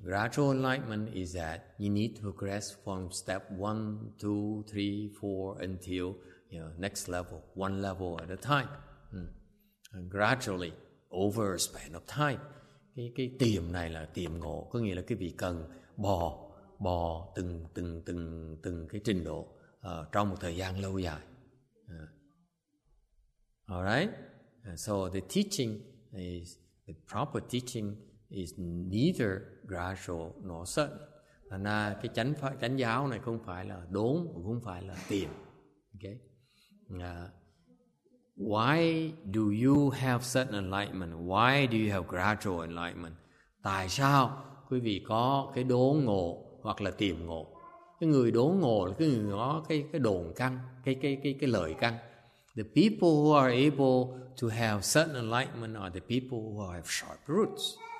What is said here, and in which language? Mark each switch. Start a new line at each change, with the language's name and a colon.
English: Gradual enlightenment is that you need to progress from step 1, 2, 3, 4 until next level, one level at a time. And gradually, over a span of time.
Vietnamese: Cái tìm này là tìm ngộ, có nghĩa là cái vị cần bò từng cái trình độ trong một thời gian lâu dài.
English: Alright? So the teaching is the proper teaching is neither gradual nor sudden.
Vietnamese: Thành ra cái chánh giáo này không phải là đốn, không phải là tìm. Okay.
English: Why do you have sudden enlightenment? Why do you have gradual enlightenment?
Vietnamese: Tại sao quý vị có cái đốn ngộ hoặc là tìm ngộ? Cái người đốn ngộ là cái người có cái đồn căn, cái lời căn.
English: The people who are able to have sudden enlightenment are the people who have sharp roots.